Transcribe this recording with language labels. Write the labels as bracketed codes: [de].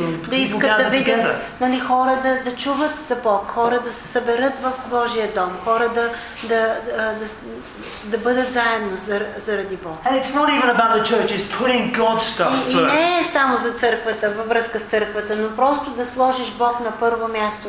[bg] Да искат да видят, нали, хора да чуват за Бог, хора да се съберат в Божия дом, хора да бъдат заедно заради Бог. [en] And it's not even about the church, it's putting God's stuff first. [bg] И не е само за църквата, във връзка с църквата, но просто да сложиш Бог на първо място.